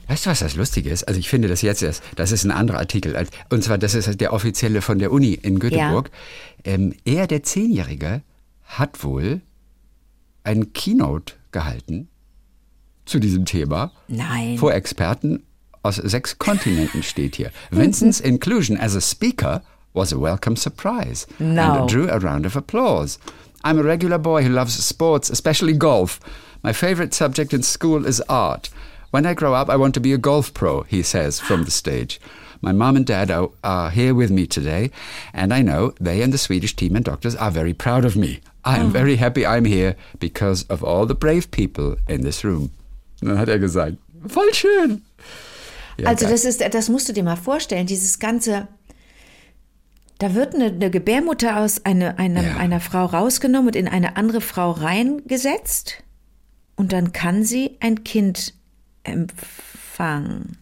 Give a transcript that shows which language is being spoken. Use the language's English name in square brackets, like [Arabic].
[German] Weißt du, was das Lustige ist? Also ich finde das jetzt erst, das ist ein anderer Artikel. Und zwar, das ist der offizielle von der Uni in Göteborg. Ja. Der 10-Jährige, hat wohl ein Keynote gehalten zu diesem Thema. Nein. Vor Experten aus 6 Kontinenten steht hier. [English] Vincent's inclusion as a speaker was a welcome surprise. No. And drew a round of applause. I'm a regular boy who loves sports, especially golf. My favorite subject in school is art. When I grow up, I want to be a golf pro, he says from the stage. My mom and dad are here with me today, and I know they and the Swedish team and doctors are very proud of me. I am very happy I'm here because of all the brave people in this room. [German] Dann hat er gesagt, voll schön. Ja, also das musst du dir mal vorstellen, dieses ganze... Da wird eine Gebärmutter aus einer Frau rausgenommen und in eine andere Frau reingesetzt und dann kann sie ein Kind empfangen